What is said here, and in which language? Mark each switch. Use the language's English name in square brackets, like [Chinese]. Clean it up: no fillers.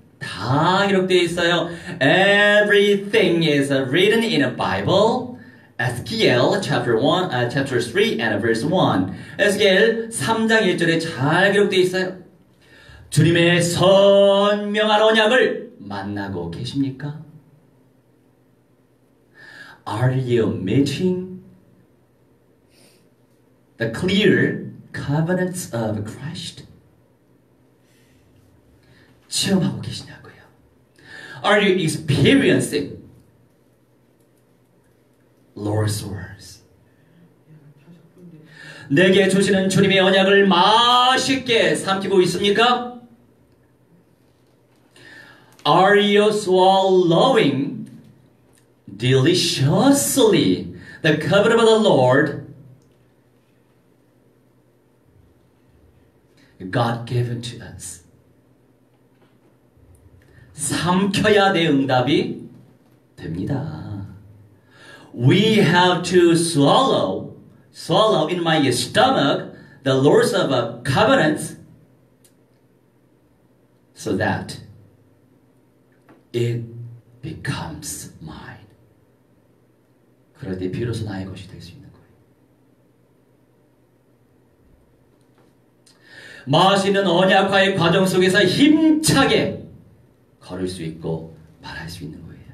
[Korean] 다 이렇게 돼 있어요. [English] Everything is written in a Bible. Ezekiel chapter 1, chapter 3 and verse 1. Ezekiel [Korean] 3장 1절에 잘 기록되어 있어요. 주님의 선명한 언약을 만나고 계십니까? [English] Are you meeting the clear covenants of Christ? [Korean] 체험하고 계시냐고요. [English] Are you experiencing Lord's words. [Korean] 내게 주시는 주님의 언약을 맛있게 삼키고 있습니까? [English] Are you swallowing deliciously the covenant of the Lord? God given to us. [Korean] 삼켜야 내 응답이 됩니다. [English] We have to swallow in my stomach the laws of a covenant so that it becomes mine. [Korean] 그럴 때 비로소 나의 것이 될 수 있는 거예요. 마시는 언약화의 과정 속에서 힘차게 걸을 수 있고 말할 수 있는 거예요.